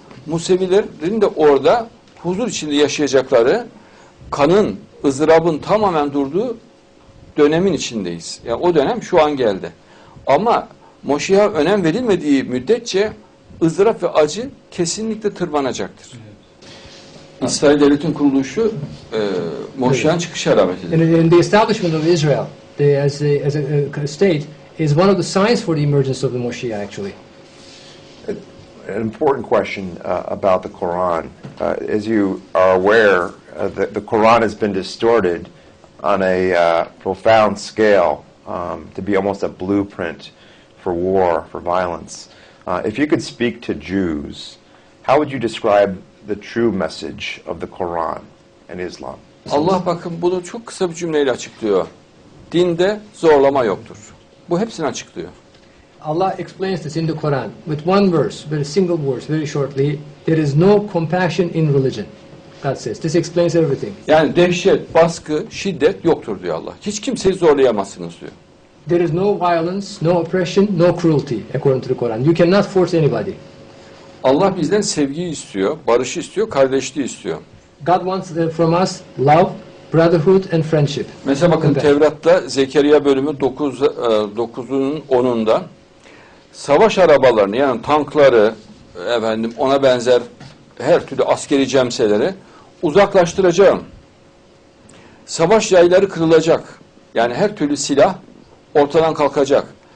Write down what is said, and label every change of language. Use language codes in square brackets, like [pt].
[tr] Musevilerin de orada huzur içinde yaşayacakları, kanın, ızdırabın tamamen durduğu dönemin içindeyiz. Yani o dönem şu an geldi. Ama Moşiyah'a önem verilmediği müddetçe ızdırap ve acı kesinlikle tırmanacaktır. İsrail devletin kuruluşu Moşiyah'ın çıkış alametidir. [en] In the establishment of Israel as a state is one of the signs for the emergence of the Moshiach, actually. An important question about the Quran. As you are aware, the Quran has been distorted on a profound scale to be almost a blueprint for war, for violence. If you could speak to Jews, how would you describe the true message of the Quran and Islam? [tr] Allah bakın bunu çok kısa bir cümleyle açıklıyor. Dinde zorlama yoktur. Bu hepsini açıklıyor. [en] Allah explains this in the Quran with one verse, with a single verse, very shortly. There is no compassion in religion, God says. This explains everything. [tr] Yani dehşet, baskı, şiddet yoktur diyor Allah. Hiç kimseyi zorlayamazsınız diyor. [en] There is no violence, no oppression, no cruelty according to the Quran. You cannot force anybody. [tr] Allah bizden sevgiyi istiyor, barışı istiyor, kardeşliği istiyor. [en] God wants from us love, brotherhood and friendship. [tr] Mesela bakın Tevrat'ta Zekeriya bölümü 9'un 10'unda savaş arabalarını yani tankları efendim ona benzer her türlü askeri cemseleri uzaklaştıracağım. Savaş yayları kırılacak. Yani her türlü silah ortadan kalkacak.